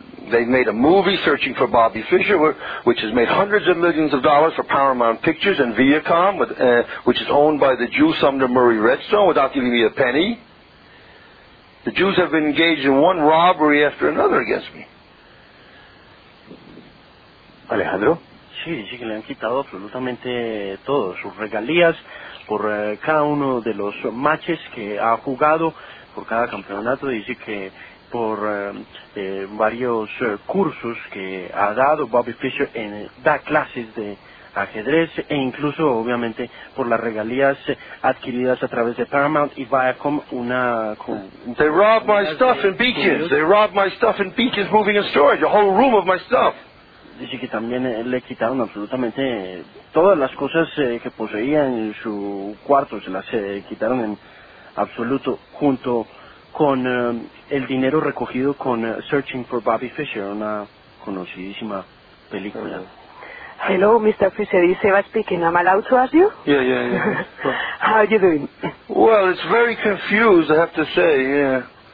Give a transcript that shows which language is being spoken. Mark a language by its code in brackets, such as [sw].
[en] They made a movie searching for Bobby Fischer, which has made hundreds of millions of dollars for Paramount Pictures and Viacom, which is owned by the Jew Sumner Murray Redstone, without giving me a penny. The Jews have been engaged in one robbery after another against me. Alejandro? [es] Sí, dice que le han quitado absolutamente todo, sus regalías por cada uno de los matches que ha jugado, por cada campeonato, dice que por varios cursos que ha dado Bobby Fischer, da clases de ajedrez e incluso obviamente por las regalías adquiridas a través de Paramount y Viacom [en] They robbed my stuff in Beacons. They robbed my stuff in Beacons Moving and Storage, a whole room of my stuff. [es] Dice que también le quitaron absolutamente todas las cosas que poseía en su cuarto, se las quitaron en absoluto, junto con el dinero recogido con Searching for Bobby Fischer, una conocidísima película. [en] Hello, Mr. Fischer, is Eva speaking. Am I allowed to ask you? Yeah. How are you doing? Well, it's very confused, I have to say, yeah.